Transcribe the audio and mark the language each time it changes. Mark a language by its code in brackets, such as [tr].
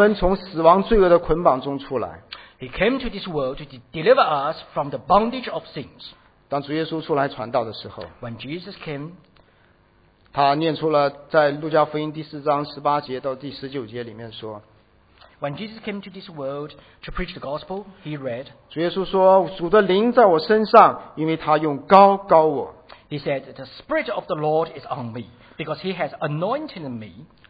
[zh] 他来到地上就是为了要拯救我们从死亡罪恶的捆绑中出来。 [en] He came to this world to deliver us from the bondage of sins. [zh] 当主耶稣出来传道的时候, [en] when Jesus came, [zh] 他念出了在路加福音第四章18节到第19节里面说, [en] when Jesus came to this world to preach the gospel, he read, [zh] 主耶稣说, 主的灵在我身上, 因为他用膏膏我。 [en] He said, the Spirit of the Lord is on me, because he has anointed me,